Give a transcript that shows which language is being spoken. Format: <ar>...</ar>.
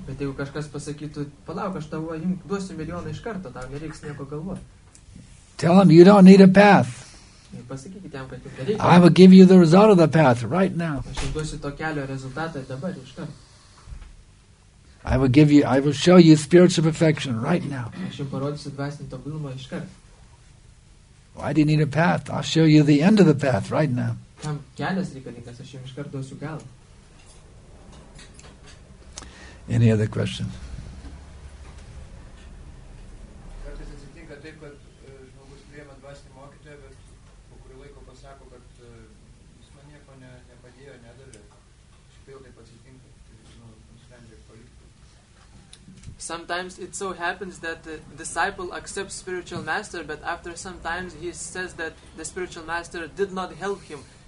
<lt>Jeigu kažkas pasakytų, palauk, aš tavo duosiu milijoną iš karto, tau nereiks nieko galvoti.</lt> <en>Tell him you don't need a path.</en> <lt>Pasakykite jam, kad jau nereikia.</lt> <en>I will give you the result of the path right now.</en> <lt>Aš jau duosiu to kelio rezultatą dabar iš karto.</lt> <en>I will show you spiritual perfection right now.</en> <lt>Aš jau parodysiu dvasinį tobulumą iš karto.</lt> <en>Why do you need a path? I'll show you the end of the path right now.</en> <lt>Kam kelias reikalingas, aš jau iš karto duosiu galą.</lt> <en>Any other questions?</en> <lt>surasti mokytoją, bet po kurį laiko pasako, kad jis man nieko nepadėjo, nedavė. Išpildai pats įtinka, nusprendžia palikti.</lt> <en>Sometimes it so happens that the disciple accepts spiritual master, but after some time he says that the spiritual master did not help him.</en>